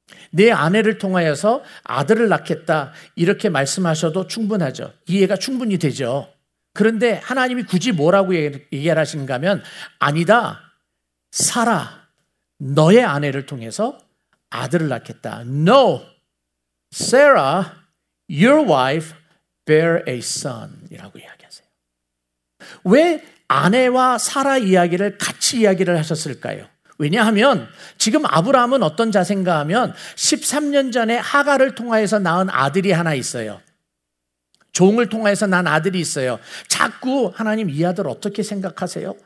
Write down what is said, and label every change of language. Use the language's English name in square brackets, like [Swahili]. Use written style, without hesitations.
[Korean] 내 아내를 통하여서 아들을 낳겠다 이렇게 말씀하셔도 충분하죠. 이해가 충분히 되죠. 그런데 하나님이 굳이 뭐라고 얘기하신가 하면 아니다, 사라, 너의 아내를 통해서 아들을 낳겠다. [English] No, Sarah, your wife bear a son [Korean] 이라고 이야기하세요. 왜 아내와 사라 이야기를 같이 이야기를 하셨을까요? 왜냐하면 지금 아브라함은 어떤 자세인가 하면 13년 전에 하갈을 통하여서 낳은 아들이 하나 있어요. 종을 통하여서 낳은 아들이 있어요. 자꾸 하나님 이 아들 어떻게 생각하세요?